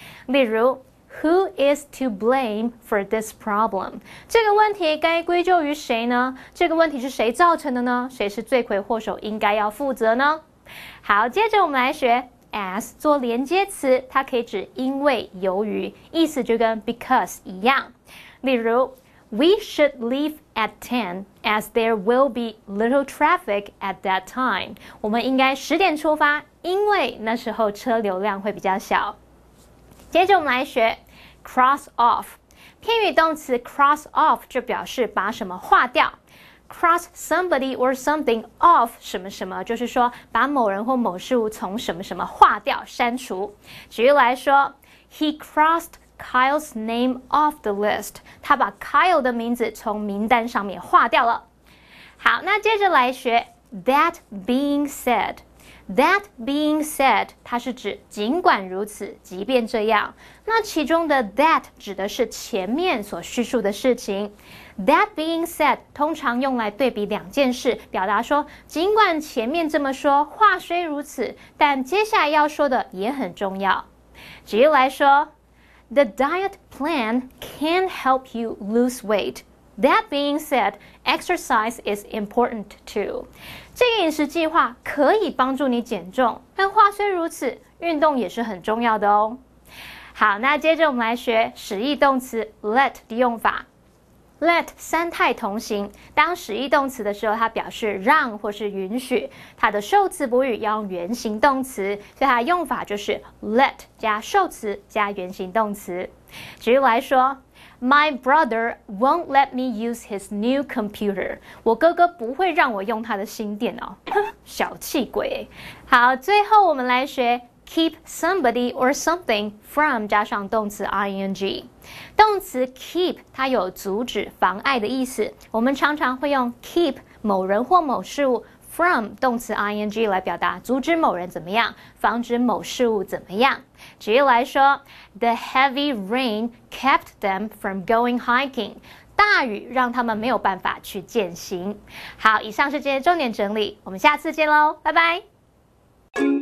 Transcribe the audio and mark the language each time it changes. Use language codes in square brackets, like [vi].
[zh] 例如 [en] who is to blame for this problem? [zh] 这个问题该归咎于谁呢？这个问题是谁造成的呢？谁是罪魁祸首应该要负责呢？好，接着我们来学as 做连接词，它可以指因为、由于，意思就跟 because 一样。例如 [en] ，We should leave at 10 as there will be little traffic at that time。 [zh] 我们应该十点出发，因为那时候车流量会比较小。接着我们来学 cross off， 偏语动词 cross off 就表示把什么划掉。 [en] Cross somebody or something off [zh] 什么什么，就是说把某人或某事物从什么什么划掉、删除。举例来说 [en] ，He crossed Kyle's name off the list. [zh] 他把 Kyle 的名字从名单上面划掉了。好，那接着来学 that being said。 [en] That being said， [zh] 它是指尽管如此，即便这样。那其中的 that 指的是前面所叙述的事情。 [en] That being said [zh] 通常用来对比两件事，表达说尽管前面这么说，话虽如此，但接下来要说的也很重要。举例来说 [en] ，The diet plan can help you lose weight. That being said, exercise is important too. [zh] 这个饮食计划可以帮助你减重，但话虽如此，运动也是很重要的哦。好，那接着我们来学实义动词 let 的用法。 Let 三态同行，当实义动词的时候，它表示让或是允许。它的受词补语要用原形动词，所以它的用法就是 let 加受词加原形动词。举例来说。 [en] My brother won't let me use his new computer. [zh] 我哥哥不会让我用他的新电脑。小气鬼。好，最后我们来学 [en] keep somebody or something from [zh] 加上动词 ing。动词 keep 它有阻止、妨碍的意思。我们常常会用 keep 某人或某事物 from 动词 ing 来表达阻止某人怎么样，防止某事物怎么样。举例来说 [en] ，The heavy rain kept them from going hiking. [zh] 大雨让他们没有办法去健行。好，以上是今天的重点整理，我们下次见喽，拜拜。